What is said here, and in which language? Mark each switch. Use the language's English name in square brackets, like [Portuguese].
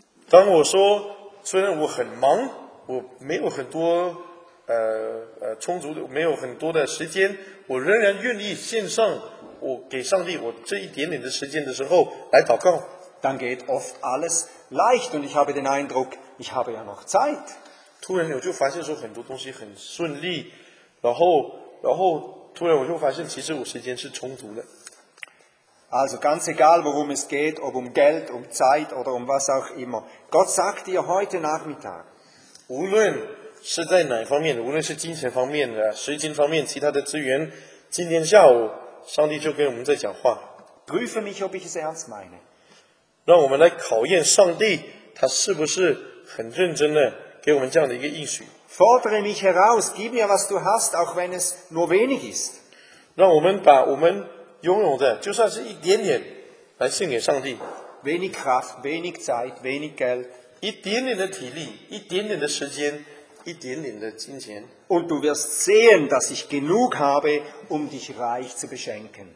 [Chinese] 当我说虽然我很忙，我没有很多充足的，没有很多的时间，我仍然愿意献上我给上帝我这一点点的时间的时候来祷告。 [German] Dann geht oft alles leicht und ich habe den Eindruck, ich habe ja noch Zeit. [Chinese] 突然我就发现说很多东西很顺利，然后突然我就发现其实我时间是充足的。 [German] Also ganz egal worum es geht, ob um Geld, um Zeit oder um was auch immer. Gott sagt dir heute Nachmittag. [Chinese] 无论是在哪方面，无论是金钱方面的、时间方面、其他的资源，今天下午上帝就跟我们在讲话。 [German] Prüfe mich, ob ich es ernst meine. [Chinese] 让我们来考验上帝，他是不是很认真的给我们这样的一个应许。 [German] Fordere mich heraus, gib mir was du hast, auch wenn es nur wenig ist. [Chinese] 让我们把我们拥有的，就算是一点点，来献给上帝。 [German] Wenig Kraft, wenig Zeit, wenig Geld. [Chinese] 一点点的体力，一点点的时间，一点点的金钱。 [German] Und du wirst sehen, dass ich genug habe, um dich reich zu beschenken.